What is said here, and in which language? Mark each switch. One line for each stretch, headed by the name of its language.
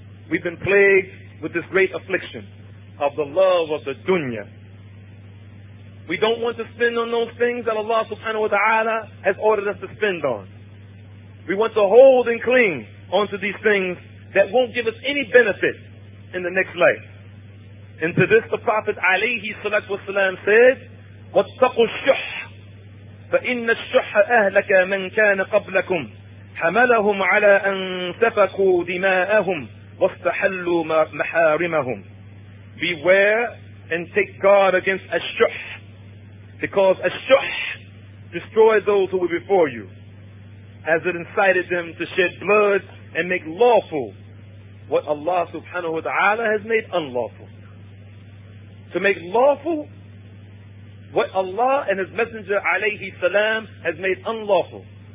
English: We've been plagued with this great affliction of the love of the dunya. We don't want to spend on those things that Allah subhanahu wa ta'ala has ordered us to spend on. We want to hold and cling onto these things that won't give us any benefit in the next life. And to this the Prophet alayhi salatu wasalam said,
Arabic: وَاتَّقُوا الشُّحَّ فَإِنَّ الشُّحَّ أَهْلَكَ مَنْ كَانَ قَبْلَكُمْ حَمَلَهُمْ عَلَىٰ أَنْ سَفَكُوا دِمَاءَهُمْ وَاسْتَحَلُّوا مَحَارِمَهُمْ.
English: Beware and take guard against الشُّحَّ, because الشُّحَّ destroyed those who were before you, as it incited them to shed blood and make lawful what Allah subhanahu wa ta'ala has made unlawful. To make lawful what Allah and His Messenger alayhi salam has made unlawful.